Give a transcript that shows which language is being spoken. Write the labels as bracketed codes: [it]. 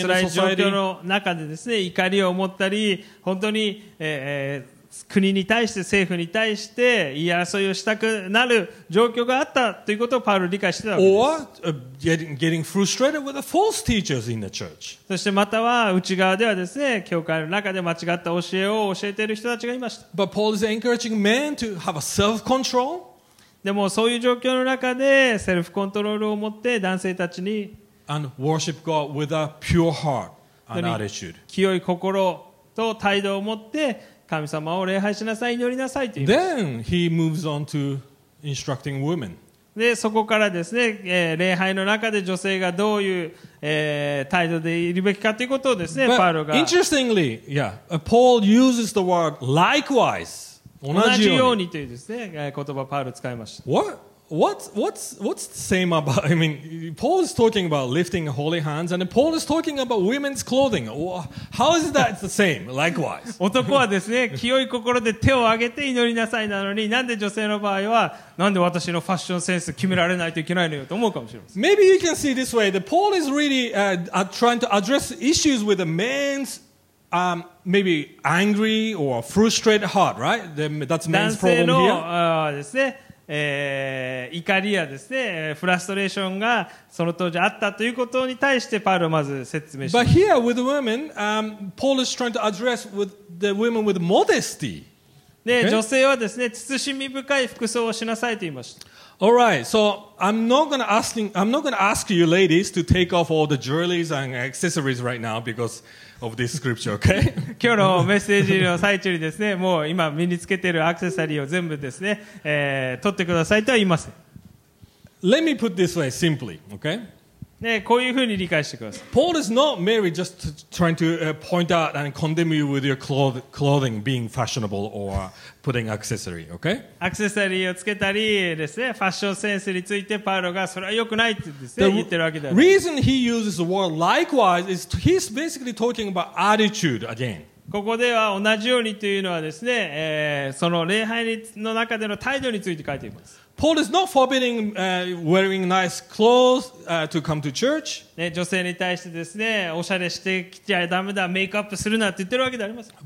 [ja] 本当にそのような辛い状況の中でですね、怒りを持ったり、本当に、国に対して政府に対して言い争いをしたくなる状況があったということをパウロ理解してたわけです。 [en] Or getting frustrated with the false teachers in the church. [ja] そしてまたは内側ではですね、教会の中で間違った教えを教えている人たちがいました。 [en] But Paul is encouraging men to have a self-control. [ja] でもそういう状況の中でセルフコントロールを持って男性たちに [en] And worship God with a pure heart and attitude. [ja] 清い心と態度を持って神様を礼拝しなさい、祈りなさいと言います。 [en] Then he moves on to instructing women. [ja] で、そこからですね、礼拝の中で女性がどういう、態度でいるべきかということをですね、パウロが。 [en] Interestingly, yeah, Paul uses the word likewise. [ja] 同じようにというですね、言葉パウロ使いました。 [en] What's the same about? I mean, Paul is talking about lifting holy hands, and Paul is talking about women's clothing. How is that the same? Likewise. [ja] 男はですね、清い心で手を挙げて祈りなさいなのに、なんで女性の場合はなんで私のファッションセンス決められないといけないのよと思うかもしれません。 [en] Maybe you can see this way that Paul is really trying to address issues with a man's maybe angry or frustrated heart, right? That's man's problem here. [ja] 男性のですね。怒りやですね、フラストレーションがその当時あったということに対してパウロはまず説明します。 [en] But here with women, Paul is trying to address with the women with modesty. で、okay? [ja] 女性はですね、慎み深い服装をしなさいと言いました。 [en] All right, so I'm not gonna ask you ladies to take off all the jewelry and accessories right now because of this scripture, okay? [ja] 今日のメッセージの最中にですね、もう今身につけているアクセサリーを全部ですね、取ってくださいとは言いません。 [en] Let me put this way simply, okay? [ja] ね、こういうふうに理解してください。 [en] Paul is not merely just trying to point out and condemn you with your clothing being fashionable or putting accessory, okay? [ja] アクセサリーをつけたりですね、ファッションセンスについてパウロがそれは良くないってですね、言ってるわけだ。 [en] The reason he uses the word likewise is he's basically talking about attitude again. [ja] ここでは同じようにというのはですね、その礼拝の中での態度について書いています。 [en] Paul is not forbidding wearing nice clothes to come to church. [ja] 女性に対してですね、おしゃれしてきちゃダメだ、メイクアップするなって言ってるわけではありません。